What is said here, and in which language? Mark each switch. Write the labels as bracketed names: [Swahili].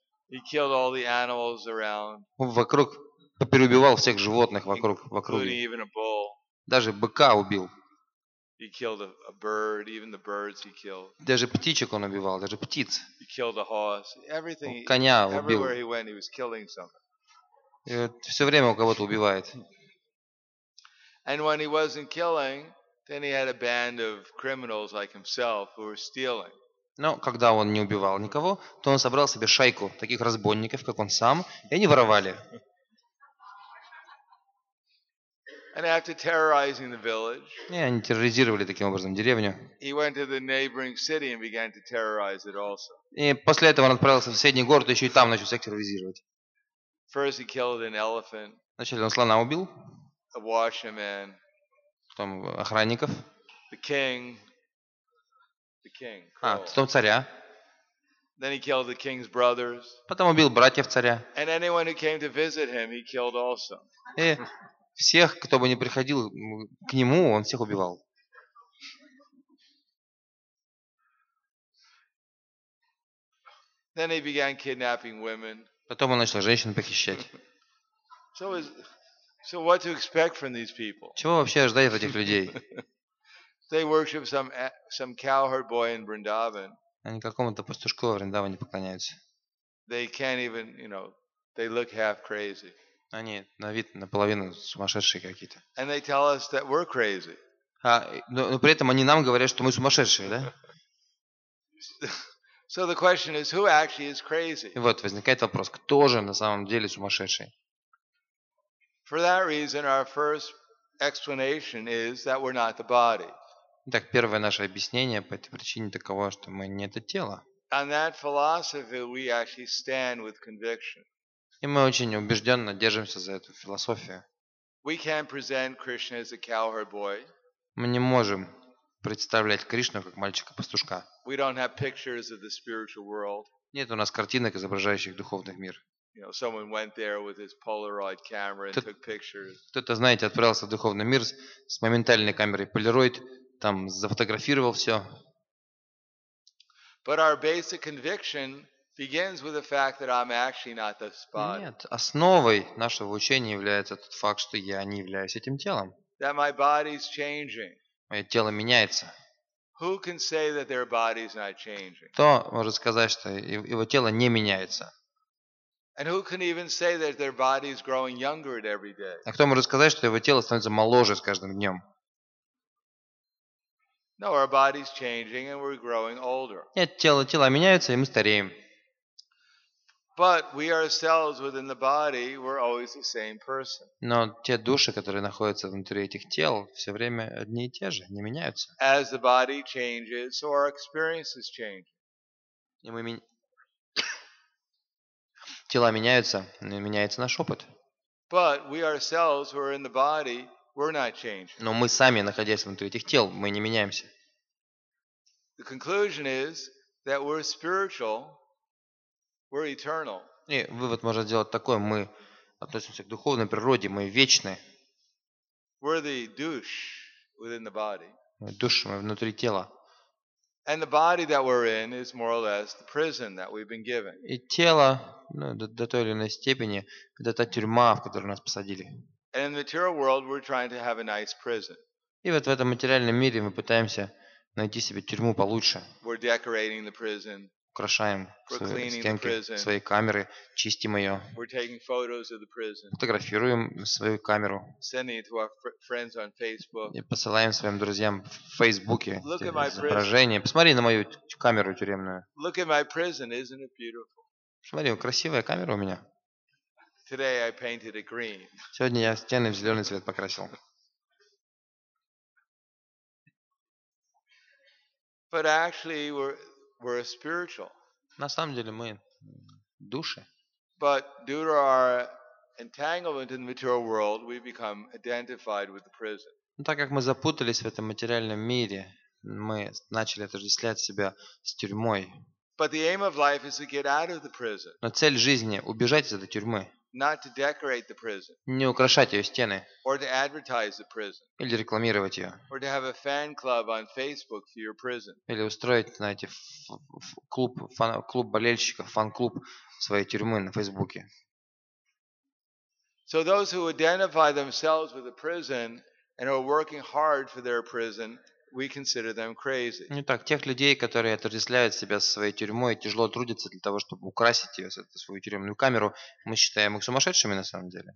[English] He killed all the animals around. [Russian] Вокруг переубивал всех животных вокруг. [English] Including even a bull. [Russian] Даже быка убил. [English] He killed a bird, even the birds he killed. [Russian] Даже птичек он убивал, даже птиц. [English] He killed a horse. Everything. [Russian] Коня убил. [English] Everywhere he went, he was killing something. [Russian] Все время у кого-то убивает. [English] And when he wasn't killing, then he had a band of criminals like himself who were stealing. [Russian] Но когда он не убивал никого, то он собрал себе шайку таких разбойников, как он сам, и они воровали. [English] And after terrorizing the village, [Russian] они терроризировали таким образом деревню. [English] He went to the neighboring city and began to terrorize it also. [Russian] И после этого он отправился в соседний город и еще и там начал всех терроризировать. [English] First he killed an elephant. [Russian] Сначала он слона убил. [English] A watchman. [Russian] Потом охранников. [English] The king. The king. [Russian] А, потом царя. [English] Then he killed the king's brothers. [Russian] Потом убил братьев царя. [English] And anyone who came to visit him, he killed also. [Russian] Всех, кто бы ни приходил к нему, он всех убивал. [English] Then he began kidnapping women. [Russian] Потом он начал женщин похищать. [English] So what to expect from these people? [Russian] Чего вообще ожидать от этих людей? [English] They worship some cowherd boy in Vrindavan. [Russian] Они какому-то пастушку в Вриндаване поклоняются. [English] They can't even, you know, they look half crazy. [Russian] Они на вид наполовину сумасшедшие какие-то. [English] And they tell us that we're crazy. [Russian] Но при этом они нам говорят, что мы сумасшедшие, да? [English] So the question is, who actually is crazy? [Russian] И вот возникает вопрос, кто же на самом деле сумасшедший? [English] For that reason, our first explanation is that we're not the body. [Russian] Так первое наше объяснение по этой причине таково, что мы не это тело. [English] On that philosophy, we actually stand with conviction. [Russian] И мы очень убежденно держимся за эту философию. [English] We can't present Krishna as a cowherd boy. [Russian] Мы не можем представлять Кришну как мальчика-пастушка. [English] We don't have pictures of the spiritual world. [Russian] Нет у нас картинок, изображающих духовный мир. [English] You know, someone went there with his Polaroid camera and took pictures. [Russian] Кто-то, знаете, отправился в духовный мир с моментальной камерой Polaroid, там зафотографировал все. [English] But our basic conviction begins with the fact that I'm actually not the spot. [Russian] Нет, основой нашего учения является тот факт, что я не являюсь этим телом. [English] That my body's changing. [Russian] Мое тело меняется. [English] Who can say that their body's not changing? [Russian] Кто может сказать, что его тело не меняется? [English] And who can even say that their body is growing younger at every day? [Russian] А кто может сказать, что его тело становится моложе с каждым днем? [English] No, our body's changing and we're growing older. [Russian] Нет, тела меняются и мы стареем. [English] But we ourselves within the body, we're always the same person. [Russian] Но те души, которые находятся внутри этих тел, все время одни и те же, не меняются. [English] As the body changes, so our experiences change. [Russian] Тела меняются, меняется наш опыт. [English] But we ourselves who are in the body, we're not changing. [Russian] Но мы сами, находясь внутри этих тел, мы не меняемся. [English] The conclusion is that we're spiritual. We're eternal. [Russian] И вывод можно сделать такой: мы относимся к духовной природе, мы вечны. [English] We're the douche within the body. [Russian] Мы души, мы внутри тела. [English] And the body that we're in is more or less the prison that we've been given. [Russian] И тело, ну, до той или иной степени, это та тюрьма, в которую нас посадили. [English] And in the material world, we're trying to have a nice prison. [Russian] И вот в этом материальном мире мы пытаемся найти себе тюрьму получше. [English] We're decorating the prison. [Russian] Украшаем свои стенки, свои камеры, чистим ее. [English] We're taking photos of the prison. [Russian] Фотографируем свою камеру. [English] Sending it to our friends on Facebook. [Russian] И посылаем своим друзьям в Фейсбуке изображение. Посмотри на мою камеру тюремную. [English] Look at my prison. Isn't it beautiful? [Russian] Смотри, красивая камера у меня. [English] Today I painted it green. [Russian] Сегодня я стены в зеленый цвет покрасил. [English] But actually we're spiritual. [Russian] На самом деле мы души. [English] But due to our entanglement in the material world, we become identified with the prison. [Russian] Так как мы запутались в этом материальном мире, мы начали отождествлять себя с тюрьмой. [English] But the aim of life is to get out of the prison. [Russian] Но цель жизни – убежать из этой тюрьмы. [English] Not to decorate the prison. [Russian] Не украшать ее стены. [English] Or to advertise the prison. [Russian] Или рекламировать ее. [English] Or to have a fan club on Facebook for your prison. [Russian] Или устроить, знаете, клуб болельщиков, фан-клуб своей тюрьмы на Фейсбуке. [English] So those who identify themselves with the prison and are working hard for their prison we consider them crazy. [Russian] Не так, тех людей, которые отождествляют себя со своей тюрьмой и тяжело трудятся для того, чтобы украсить ее, свою тюремную камеру, мы считаем их сумасшедшими на самом деле.